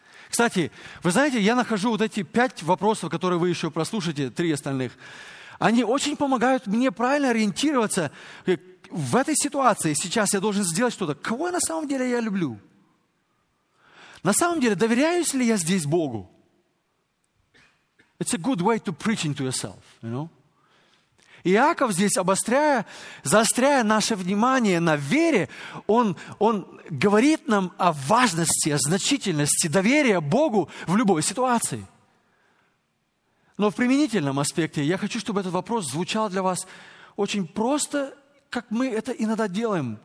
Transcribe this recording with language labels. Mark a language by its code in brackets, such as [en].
[ru] Кстати, вы знаете, я нахожу вот эти 5 вопросов, которые вы еще прослушаете, 3 остальных. Они очень помогают мне правильно ориентироваться. В этой ситуации сейчас я должен сделать что-то. Кого на самом деле я люблю? На самом деле, доверяюсь ли я здесь Богу? [en] It's a good way to preach to yourself, you know? [ru] Иаков здесь, заостряя наше внимание на вере, он говорит нам о важности, о значительности доверия Богу в любой ситуации. Но в применительном аспекте я хочу, чтобы этот вопрос звучал для вас очень просто, как мы это иногда делаем.